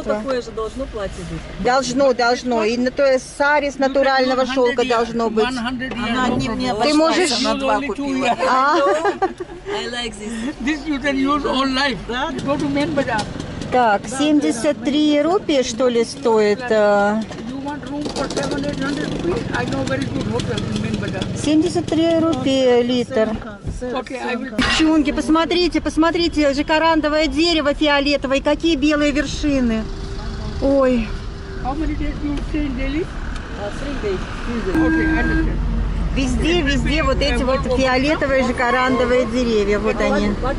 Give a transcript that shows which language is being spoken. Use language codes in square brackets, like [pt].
[ru] Одно такое же должно платье быть. Должно. И на то есть сари с натурального шелка должно быть. Она не мне обошлась, ты можешь... она 2 купила. А? [en] I like this. This you can use all life. Yeah. Go to men bazaar. [ru] Так, 73 рупии, что ли, стоит? [en] You want room for 700 rupees? I know very good hotel in men bazaar. [ru] 73 рупии литр. Девчонки, посмотрите, жакарандовое дерево фиолетовое, какие белые вершины. Ой. Везде вот эти вот фиолетовые жакарандовые деревья, вот они.